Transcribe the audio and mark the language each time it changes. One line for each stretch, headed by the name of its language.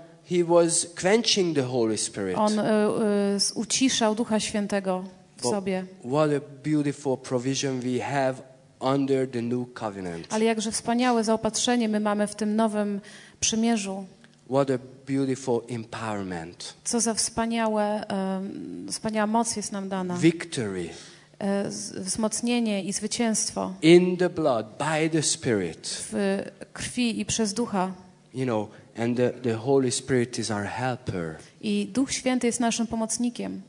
English: He was quenching the Holy Spirit.
Polish: On uciszał Ducha Świętego w sobie.
English: What a beautiful provision we have under the new covenant.
Polish: Ale jakże wspaniałe zaopatrzenie my mamy w tym nowym przymierzu.
English: What a beautiful empowerment.
Polish: Co za wspaniała moc jest nam dana.
English: Victory.
Polish: Wzmocnienie i zwycięstwo.
English: In the blood, by the Spirit.
Polish: W krwi i przez Ducha.
English: You know, and the Holy Spirit is our helper.
Polish: I Duch Święty jest naszym pomocnikiem.